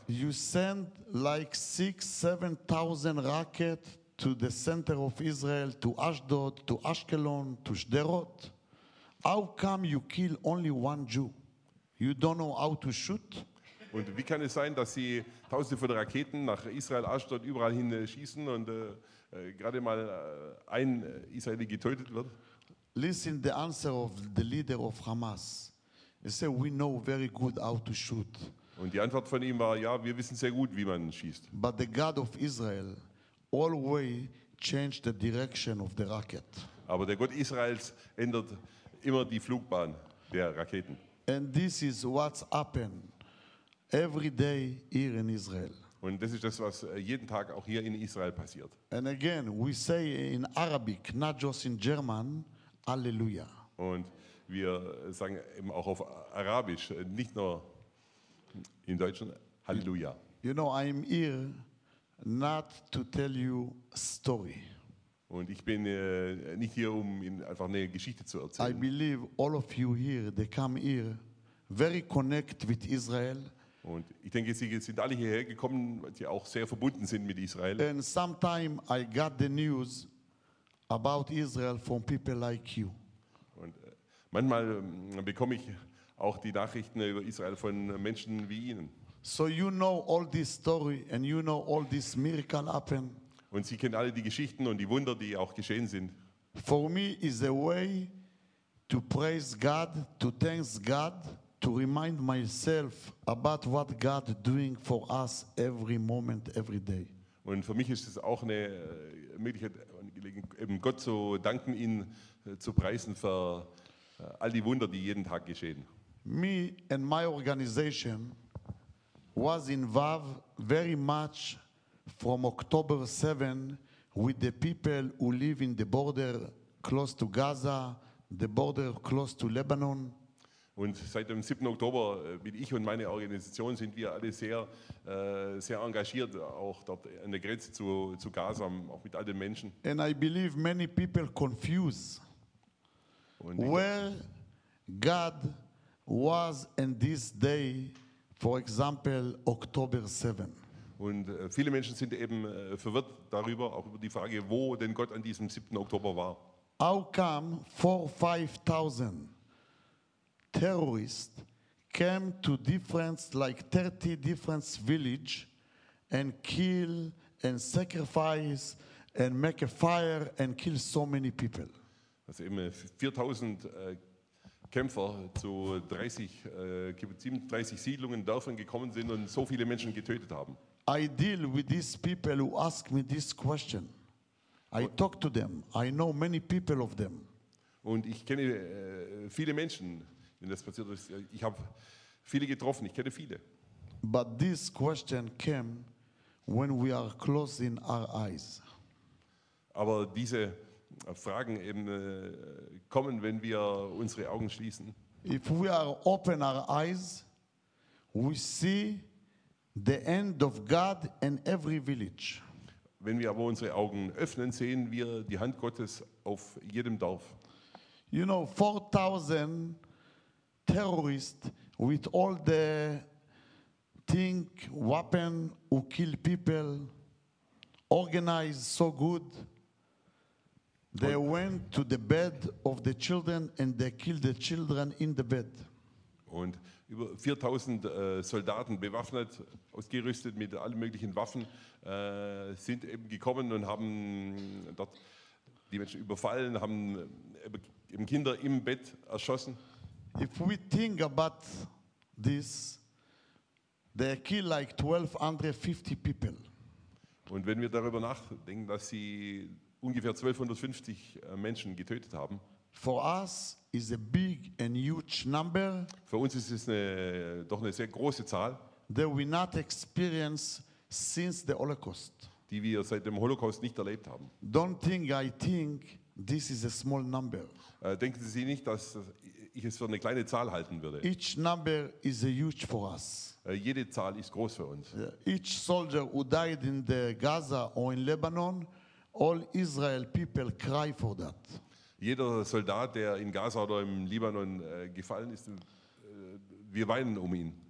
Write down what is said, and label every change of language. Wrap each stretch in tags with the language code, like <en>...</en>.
<en>You send like 6,000-7,000 rockets to the center of Israel, to Ashdod, to Ashkelon, to Shderot. How come you kill only one Jew? You don't know how to shoot?</en> <de>Und wie kann es sein, dass sie tausende von Raketen nach Israel, Ashdod, überall hin schießen und gerade mal ein Israeli getötet wird?</de> <en>Listen the answer of the leader of Hamas. He said, we know very good how to shoot.</en> <de>Und die Antwort von ihm war, ja, wir wissen sehr gut, wie man schießt.</de> <en>But the God of Israel always changed the direction of the rocket.</en> <de>Aber der Gott Israels ändert immer die Flugbahn der Raketen.</de> <en>And this is what's happened every day here in Israel.</en> <de>Und das ist das, was jeden Tag auch hier in Israel passiert.</de> <en>And again, we say in Arabic, not just in German, Halleluja.</en> <de>Und wir sagen eben auch auf Arabisch, nicht nur in Deutschen, Halleluja.</de> <en>You know, I'm here not to tell you a story.</en> <de>Und ich bin nicht hier, um Ihnen einfach eine Geschichte zu erzählen.</de> <en>I believe all of you here, they come here very connect with Israel.</en> <de>Und ich denke, Sie sind alle hierher gekommen, weil Sie auch sehr verbunden sind mit Israel.</de> <en>And sometime I got the news about Israel from people like you.</en> <de>Und manchmal bekomme ich auch die Nachrichten über Israel von Menschen wie Ihnen.</de> <en>So you know all this story and you know all this miracle happened.</en> <de>Und Sie kennen alle die Geschichten und die Wunder, die auch geschehen sind.</de> <en>For me is a way to praise God, to thanks God, to remind myself about what God doing for us every moment, every day.</en> <de>Und für mich ist es auch eine Möglichkeit, eben Gott zu danken, ihn zu preisen für all die Wunder, die jeden Tag geschehen.</de> <en>Me and my organization was involved very much from October 7 with the people who live in the border close to Gaza, the border close to Lebanon.</en> <de>Und seit dem 7. Oktober bin ich und meine Organisation sind wir alle sehr, sehr engagiert, auch dort an der Grenze zu Gaza, auch mit all den Menschen.</de> <en>And I believe many people confuse where God was in this day, for example, October 7.</en> <de>Und viele Menschen sind eben verwirrt darüber, auch über die Frage, wo denn Gott an diesem 7. Oktober war.</de> <en>How come 4,000 or 5,000 terrorists came to different, like 30 different villages and kill and sacrifice and make a fire and kill so many people?</en> <de>Also eben 4,000 Kämpfer zu 37 Siedlungen, Dörfern gekommen sind und so viele Menschen getötet haben.</de> <en>I deal with these people who ask me this question. I talk to them. I know many people of them.</en> <de>Und ich kenne viele Menschen, wenn das passiert ist. Ich habe viele getroffen. Ich kenne viele.</de> <en>But this question came when we are closing our eyes.</en> <de>Aber diese Fragen eben kommen, wenn wir unsere Augen schließen.</de> <en>If we are open our eyes, we see the end of God in every village.</en> <de>Wenn wir aber unsere Augen öffnen, sehen wir die Hand Gottes auf jedem Dorf.</de> <en>You know, 4,000 terrorists with all the thing, weapon, who kill people, organized so good. They went to the bed of the children and they killed the children in the bed.</en> <de>Und über 4,000 Soldaten, bewaffnet, ausgerüstet mit allen möglichen Waffen, sind eben gekommen und haben dort die Menschen überfallen, haben eben Kinder im Bett erschossen.</de> <en>If we think about this, they kill like 1,250 people.</en> <de>Und wenn wir darüber nachdenken, dass sie ungefähr 1,250 Menschen getötet haben.</de> <en>For us is a big and huge number.</en> <de>Für uns ist es doch eine sehr große Zahl.</de> <en>That we not experienced since the Holocaust.</en> <de>Die wir seit dem Holocaust nicht erlebt haben.</de> <en>Don't think I think this is a small number.</en> <de>Denken Sie nicht, dass ich es für eine kleine Zahl halten würde.</de> <en>Each number is a huge for us.</en> <de>Jede Zahl ist groß für uns.</de> <en>Each soldier who died in the Gaza or in Lebanon. All Israel people cry for that.</en> <de>Jeder Soldat, der in Gaza oder im Libanon gefallen ist, wir weinen um ihn.</de>